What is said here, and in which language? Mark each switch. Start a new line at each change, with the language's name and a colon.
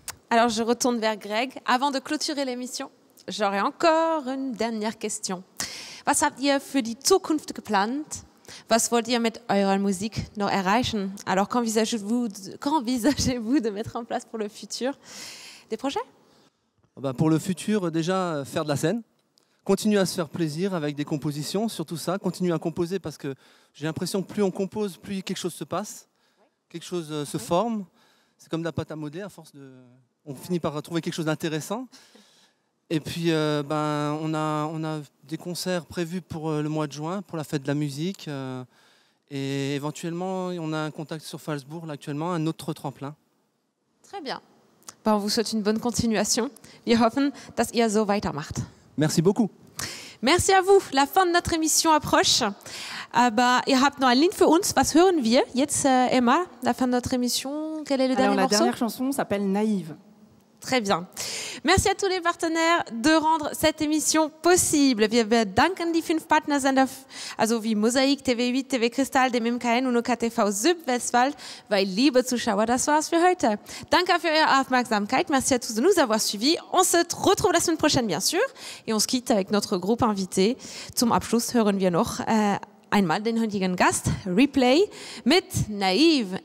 French: Alors, je retourne vers Greg. Avant de clôturer l'émission, j'aurais encore une dernière question.
German: Was habt ihr für die Zukunft geplant? Was wollt ihr mit eurer Musik noch erreichen?
French: Alors, qu'envisagez-vous de mettre en place pour le futur des projets? Pour le futur, déjà, faire de la scène. Continuer à se faire plaisir avec des compositions, surtout ça. Continuer à composer parce que j'ai l'impression que plus on compose, plus quelque chose se passe. Quelque chose se forme, c'est comme de la pâte à modeler, à force de... on finit par trouver quelque chose d'intéressant. Et puis on a des concerts prévus pour le mois de juin, pour la fête de la musique. Et éventuellement, on a un contact sur Falsbourg là, actuellement, un autre tremplin. Très bien, on vous souhaite une bonne continuation.
German: Wir hoffen, dass ihr so weitermacht.
French: Merci beaucoup. Merci à vous. La fin de notre émission approche.
German: Aber ihr habt noch ein Lied für uns. Was hören wir jetzt, Emma?
French: La fin de notre émission. Quel est le dernier morceau? La dernière chanson s'appelle Naïve. Très bien. Merci à tous les partenaires de rendre cette émission possible.
German: Wir bedanken die fünf Partner Sender, also wie Mosaik, TV8, TV Kristall, dem MKN und OKTV Südwestwald, weil, liebe Zuschauer, das war's für heute. Danke für eure Aufmerksamkeit.
French: Merci à tous de nous avoir suivis. On se retrouve la semaine prochaine, bien sûr. Et on se quitte avec notre groupe invité.
German: Zum Abschluss hören wir noch einmal den heutigen Gast, Replay, mit Naive.